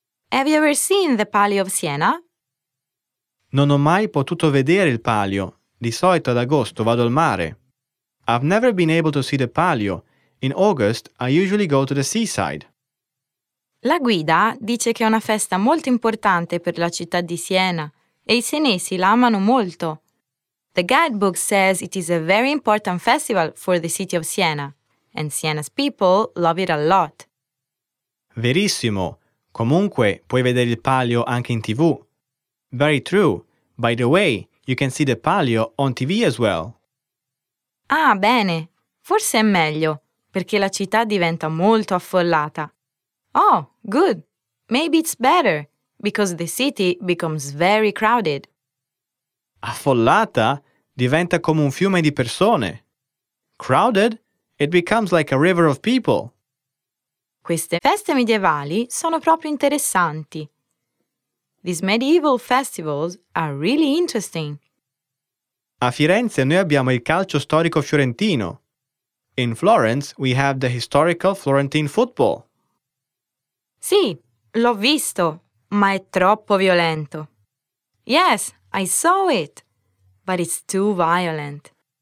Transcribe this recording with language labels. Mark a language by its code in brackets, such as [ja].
[en] Have you ever seen the Palio of Siena? [it] Non ho mai potuto vedere il Palio. Di solito ad agosto vado al mare. [en] I've never been able to see the Palio. In August, I usually go to the seaside. [it] La guida dice che è una festa molto importante per la città di Siena e i senesi la amano molto. [en] The guidebook says it is a very important festival for the city of Siena and Siena's people love it a lot. [it] Verissimo. Comunque, puoi vedere il Palio anche in TV. [en] Very true. By the way, you can see the Palio on TV as well. [it] Ah, bene. Forse è meglio, perché la città diventa molto affollata. [en] Oh, good. Maybe it's better, because the city becomes very crowded. [it] Affollata? Diventa come un fiume di persone. Crowded? [en] It becomes like a river of people. [it] Queste feste medievali sono proprio interessanti. [en] These medieval festivals are really interesting. [it] A Firenze noi abbiamo il calcio storico fiorentino. [en] In Florence we have the historical Florentine football. [it] Sì, l'ho visto, ma è troppo violento. [en] Yes, I saw it, but it's too violent.